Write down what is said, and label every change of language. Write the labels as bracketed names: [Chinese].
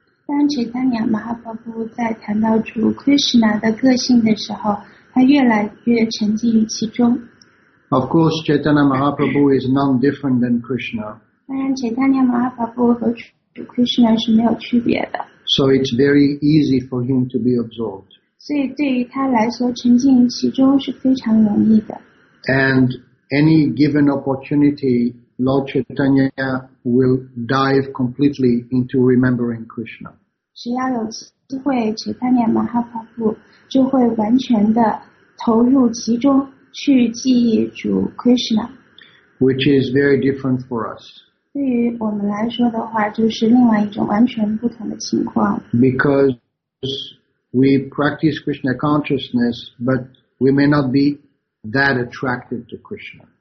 [Chinese] 当 Chaitanya Mahaprabhu 在谈到主 Krishna 的个性的时候，他越来越沉浸于其中。 [English] Of course, Chaitanya Mahaprabhu is none different than Krishna. [Chinese] 当然 ，Chaitanya Mahaprabhu 和主 Krishna 是没有区别的。 [English] So it's very easy for him to be absorbed. [Chinese] 所以对于他来说，沉浸于其中是非常容易的。 [English] And any given opportunity. Lord Chaitanya will dive completely into remembering Krishna. [Chinese] 只要有机会 Chaitanya Mahaprabhu 就会完全的投入其中去记忆主 Krishna. [English] Which is very different for us. [Chinese] 对于我们来说的话就是另外一种完全不同的情况。 [English] Because we practice Krishna consciousness, but we may not be that attracted to Krishna.